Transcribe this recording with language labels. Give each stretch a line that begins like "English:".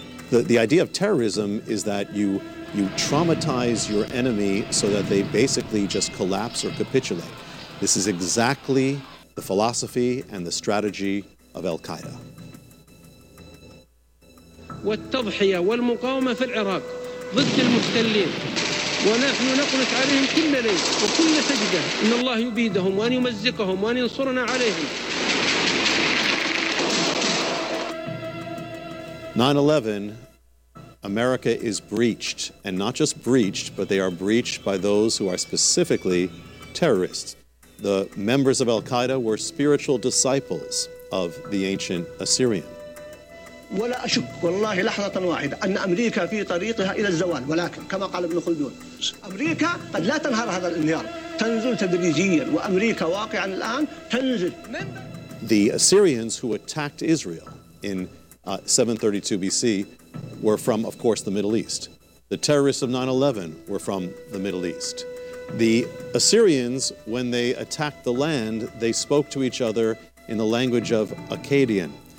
English: The idea of terrorism is that you traumatize your enemy so that they basically just collapse or capitulate. This is exactly the philosophy and the strategy of Al-Qaeda.
Arabic: ونحن نقنت عليهم كل ليل وكل سجدة إن الله يبيدهم وأن يمزقهم وأن ينصرنا عليهم.
English: 9/11, America is breached, and not just breached, but they are breached by those who are specifically terrorists. The members of Al-Qaeda were spiritual disciples of the ancient Assyrian.
Arabic: ولا أشك والله لحظة واحدة أن أمريكا في طريقها إلى الزوال ولكن كما قال ابن خلدون أمريكا قد لا تنهار هذا الانهيار تنزل تدريجيا وأمريكا واقعا الآن تنزل.
English: The Assyrians who attacked Israel in 732 BC were from, of course, the Middle East. The terrorists of 9/11 were from the Middle East. The Assyrians, when they attacked the land, they spoke to each other in the language of Akkadian.